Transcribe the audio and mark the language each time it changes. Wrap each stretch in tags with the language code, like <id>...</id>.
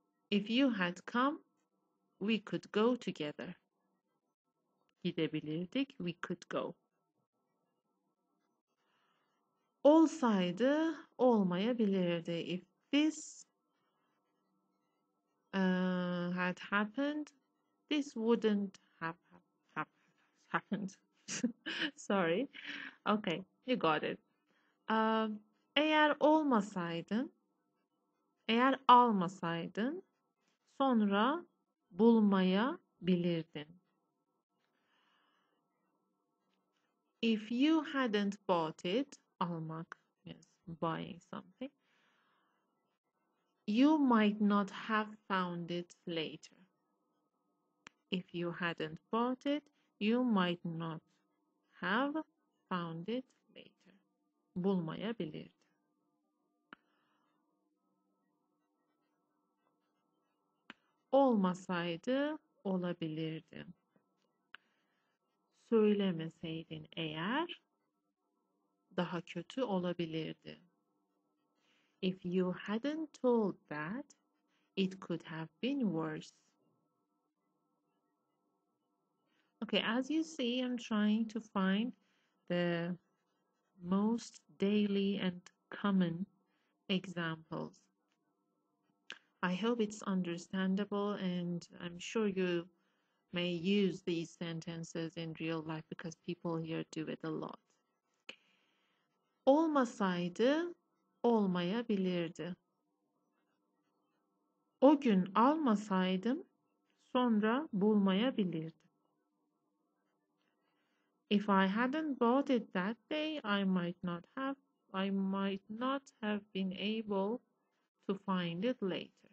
<en>If you had come, we could go together.</en> <tr>Gidebilirdik,</tr> <en>we could go.</en> <tr>Olsaydı, olmayabilirdi.</tr> <en>If this had happened, this wouldn't have happened. Sorry. Okay, you got it.</en> <tr>Eğer olmasaydın, eğer almasaydın, sonra bulmaya bilirdin.</tr> <en>If you hadn't bought it,</en> <tr>almak,</tr> <en>yes, buying something, you might not have found it later. If you hadn't bought it, you might not have found it later.</en> <tr>Bulmayabilirdin. Olmasaydı, olabilirdi. Söylemeseydin eğer, daha kötü olabilirdi.</tr> <en>If you hadn't told that, it could have been worse. Okay, as you see, I'm trying to find the most daily and common examples. I hope it's understandable, and I'm sure you may use these sentences in real life because people here do it a lot.</en> <tr>Olmasaydı, olmayabilirdi. O gün almasaydım, sonra bulmayabilirdim.</tr> <en>If I hadn't bought it that day, I might not have been able to find it later.</en>